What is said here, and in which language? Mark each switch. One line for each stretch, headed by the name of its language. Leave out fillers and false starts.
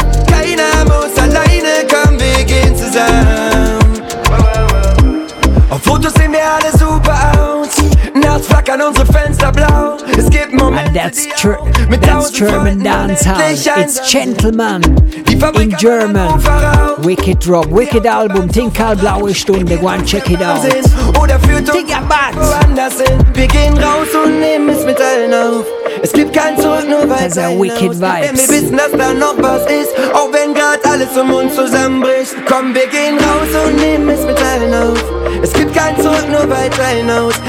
German: Keiner muss alleine kommen, wir gehen zusammen. Auf Fotos sehen wir alle super aus. Nachts flackern unsere Fenster blau. Es gibt Momente,
English: that's true. That's German dancehall. It's Gentleman in German. Wicked Rock, Wicked Album. Tinkal Blaue Stunde. Go and check it out.
German: Oder führt uns woanders hin. Wir gehen raus und nehmen es mit allen auf. Es gibt kein Zurück, nur weiter hinaus.
English: Also Wicked Vibes.
German: Wir wissen, dass da noch was ist. Auch wenn grad alles um uns zusammenbricht. Komm, wir gehen raus und nehmen es mit allen auf. Es gibt kein Zurück, nur weiter hinaus.